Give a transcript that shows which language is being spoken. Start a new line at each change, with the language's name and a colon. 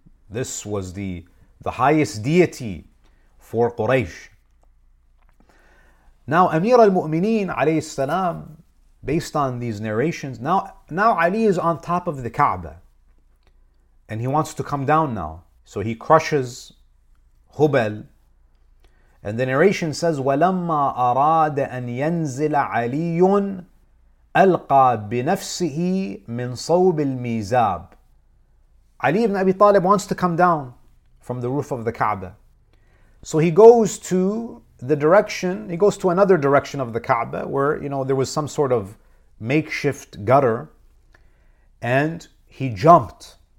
English: This was the highest deity for Quraysh. Now Amir al-Mu'mineen alayhi salam, based on these narrations, now Ali is on top of the Kaaba and he wants to come down now. So he crushes Hubal, and the narration says,
Arabic: وَلَمَّا أَرَادَ أَن يَنْزِلَ عَلِيٌ أَلْقَى بِنَفْسِهِ مِنْ صَوْبِ الْمِيزَابِ.
English: Ali ibn Abi Talib wants to come down from the roof of the Kaaba. So he goes to the direction, he goes to another direction of the Kaaba where, you know, there was some sort of makeshift gutter, and he jumped.